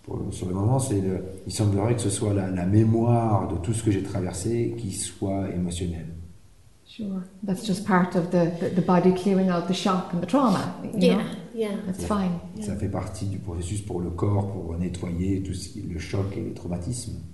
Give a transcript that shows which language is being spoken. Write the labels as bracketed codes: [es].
[fr] Sur le moment, il semblerait que ce soit la mémoire de tout ce que j'ai traversé qui soit émotionnelle. [en] Sure, that's just part of the body clearing out the shock and the trauma. Fine. [fr] Ça fait partie du processus pour le corps, pour nettoyer tout ce qui est le choc et les traumatismes.